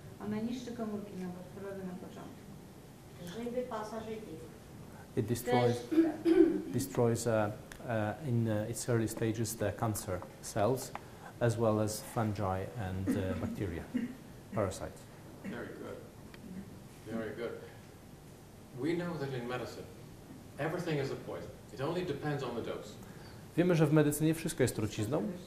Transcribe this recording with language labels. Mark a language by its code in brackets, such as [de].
[pl] Ona niszczy komórki nowotworowe na początku. Żyły, pasa, żyły. [en] It destroys, destroys in its early stages the cancer cells, as well as fungi and bacteria, parasites. Very good. Very good. We know that in medicine, everything is a poison. It only depends on the dose. [pl] Wiemy, że w medycynie wszystko jest trucizną.